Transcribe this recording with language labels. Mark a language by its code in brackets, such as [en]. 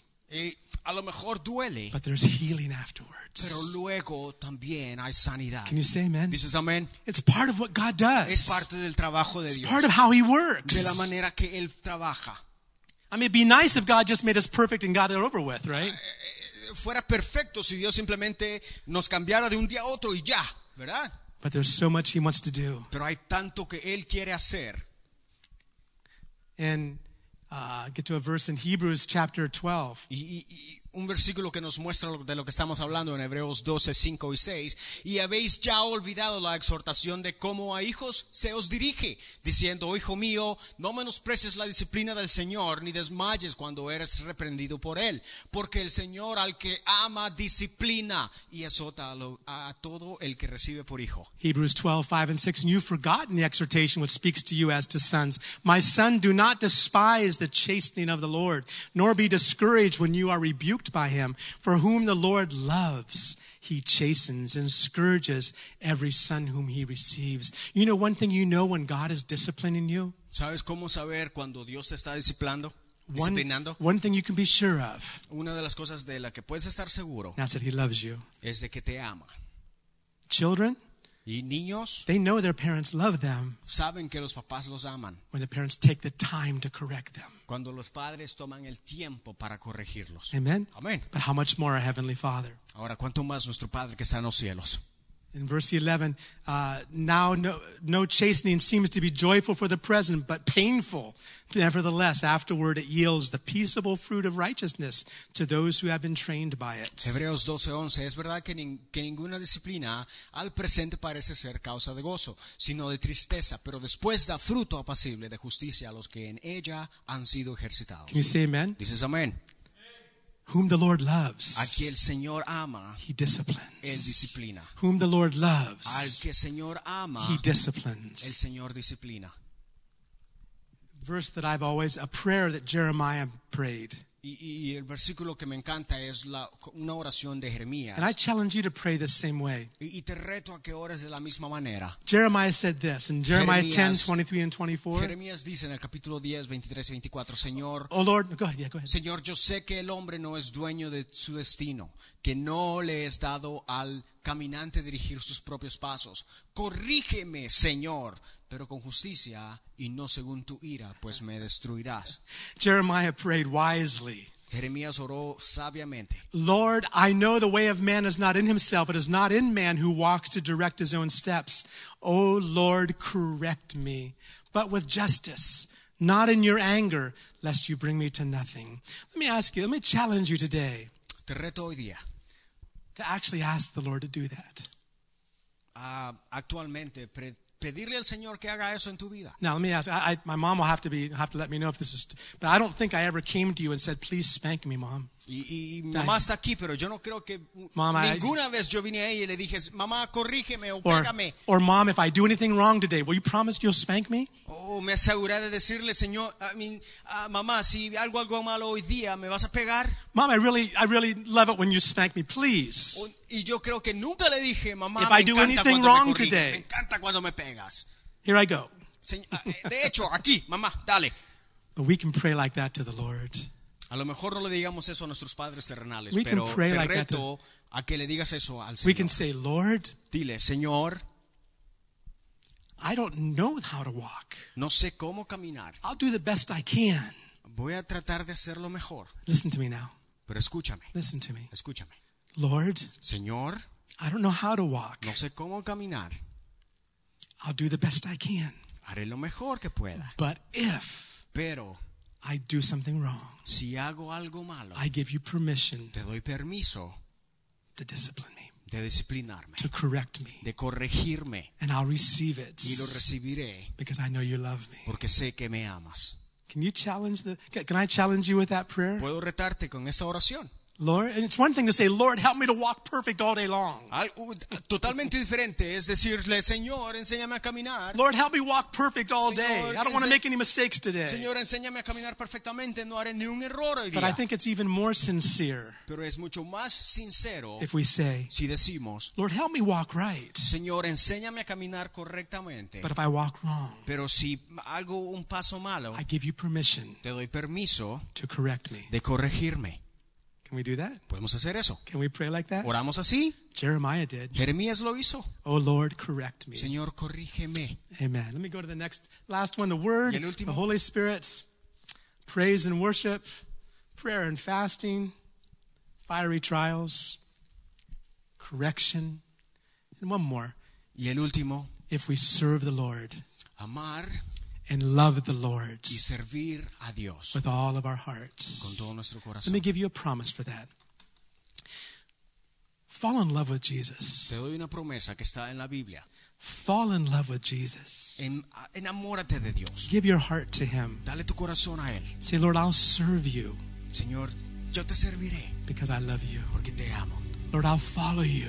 [es] Y a lo mejor duele. [en] But there's healing afterwards. [es] Pero luego también hay sanidad. [en] Can you say amen? [es] Dices amen. [en] It's part of what God does. [es] Es parte del trabajo de [en] it's [es] Dios. [en] Part of how he works. [es] De la manera que él trabaja. [en] I mean, it'd be nice if God just made us perfect and got it over with, right? [es] Fuera perfecto si Dios simplemente nos cambiara de un día a otro y ya, ¿verdad? [en] But there's so much he wants to do. [es] Pero hay tanto que él quiere hacer. [en] And get to a verse in Hebrews chapter 12. [es] Y un versículo que nos muestra de lo que estamos hablando en Hebreos 12, 5 y 6. Y habéis ya olvidado la exhortación de cómo a hijos se os dirige, diciendo, hijo mío, no menosprecies la disciplina del Señor, ni desmayes cuando eres reprendido por él. Porque el Señor al que ama disciplina y azota a todo el que recibe por hijo. [en] Hebrews 12, 5 and 6. And you've forgotten the exhortation which speaks to you as to sons. My son, do not despise the chastening of the Lord, nor be discouraged when you are rebuked by him, for whom the Lord loves, he chastens and scourges every son whom he receives. You know one thing you know when God is disciplining you? [es] ¿Sabes cómo saber cuando Dios está disciplinando? [en] One thing you can be sure of. [es] Una de las cosas de la que puedes estar seguro. [en] That's that he loves you. [es] Es de que te ama. [en] Children. [es] Y niños. [en] They know their parents love them. [es] Saben que los papás los aman. [en] When the parents take the time to correct them. [es] Cuando los padres toman el tiempo para corregirlos. [en] Amen. [es] Amen. [en] But how much more our Heavenly Father. [es] Ahora, ¿cuánto más nuestro Padre que está en los cielos? [en] In verse 11, now no chastening seems to be joyful for the present, but painful. Nevertheless, afterward it yields the peaceable fruit of righteousness to those who have been trained by it. [es] Hebreos 12:11, es verdad que ninguna disciplina al presente parece ser causa de gozo, sino de tristeza, pero después da fruto apacible de justicia a los que en ella han sido ejercitados. [en] Can you say amen? [es] Dices amén. [en] Whom the Lord loves, [es] a quien el Señor ama, [en] he disciplines. [es] Él disciplina. [en] Whom the Lord loves, [es] al que el Señor ama, [en] he disciplines. [es] El Señor disciplina. [en] Verse that I've always, a prayer that Jeremiah prayed. [es] Y el versículo que me encanta es una oración de Jeremías. [en] And I challenge you to pray the same way. [es] Y te reto a que ores de la misma manera. [en] Jeremiah said this in Jeremiah 10:23-24. [es] Jeremías dice en el capítulo 10, 23 y 24, Señor, [en] oh Lord, go ahead, yeah, go ahead. [es] Señor, yo sé que el hombre no es dueño de su destino, que no le es dado al caminante dirigir sus propios pasos. Corrígeme, Señor, pero con justicia y no según tu ira, pues me destruirás. [en] Jeremiah prayed wisely. [es] Jeremías oró sabiamente. [en] Lord, I know the way of man is not in himself, it is not in man who walks to direct his own steps. Oh Lord, correct me, but with justice, not in your anger, lest you bring me to nothing. Let me ask you, let me challenge you today. [es] Te reto hoy día. [en] To actually ask the Lord to do that. [es] Actualmente, pedirle al Señor que haga eso en tu vida. [en] Now let me ask. My mom will have to let me know if this is. But I don't think I ever came to you and said, "Please spank me, mom." [es] Mamá está aquí, pero yo no creo que ninguna vez yo vine a ella y le dije, "Mamá, corrígeme o pégame." [en] Or mom, if I do anything wrong today, will you promise you'll spank me? [es] Oh, me aseguré de decirle, Señor, mamá, si algo malo hoy día, ¿me vas a pegar? [en] Mom, I really love it when you spank me, please. [es] Y yo creo que nunca le dije, mamá, [en] if I do anything wrong today, [es] me encanta cuando me pegas. [en] Here I go. [es] De hecho, aquí, mamá, dale. [en] But we can pray like that to the Lord. [es] A lo mejor no le digamos eso a nuestros padres terrenales, pero te reto [en] like to, [es] a que le digas eso al Señor. [en] We can say, Lord, [es] dile, Señor, [en] I don't know how to walk. [es] No sé cómo caminar. [en] I'll do the best I can. [es] Voy a tratar de hacerlo mejor. [en] Listen to me now. [es] Pero escúchame. [en] Listen to me. [es] Escúchame. [en] Lord, [es] Señor, [en] I don't know how to walk. [es] No sé cómo caminar. [en] I'll do the best I can. [es] Haré lo mejor que pueda. [en] But if, [es] pero, [en] I do something wrong, [es] si hago algo malo, [en] I give you permission, [es] te doy permiso, [en] to discipline me, [es] de disciplinarme, [en] to correct me, [es] de corregirme, [en] and I'll receive it, [es] y lo recibiré, [en] because I know you love me, [es] porque sé que me amas. [en] Can you challenge can I challenge you with that prayer? [es] Puedo retarte con esta oración. [en] Lord, and it's one thing to say, Lord, help me to walk perfect all day long. [es] Totalmente diferente es decirle, Señor, enséñame a caminar. [en] Lord, help me walk perfect all day. I don't want to make any mistakes today. [es] Señor, enséñame a caminar perfectamente, no haré ni un error hoy día. [en] But I think it's even more sincere. [es] Pero es mucho más sincero. [en] If we say, [es] si decimos, [en] Lord, help me walk right. [es] Señor, enséñame a caminar correctamente. [en] But if I walk wrong, [es] pero si hago un paso malo, [en] I give you permission. [es] Te doy permiso [en] to correct me. [es] De corregirme. [en] Can we do that? [es] ¿Podemos hacer eso? [en] Can we pray like that? [es] ¿Oramos así? [en] Jeremiah did. [es] Jeremías lo hizo. [en] Oh Lord, correct me. [es] Señor, corrígeme. [en] Amen. Let me go to the next, last one, the Word, [es] y el último, [en] the Holy Spirit, praise and worship, prayer and fasting, fiery trials, correction, and one more. [es] Y el último, [en] if we serve the Lord, [es] amar, [en] and love the Lord, [es] y servir a Dios, [en] with all of our hearts, [es] con todo nuestro corazón. [en] Let me give you a promise for that. Fall in love with Jesus. [es] Te doy una promesa que está en la Biblia. [en] Fall in love with Jesus. [es] Enamórate de Dios. [en] Give your heart to Him. [es] Dale tu corazón a Él. [en] Say, Lord, I'll serve you. [es] Señor, yo te serviré. [en] Because I love you. [es] Porque te amo. [en] Lord, I'll follow you.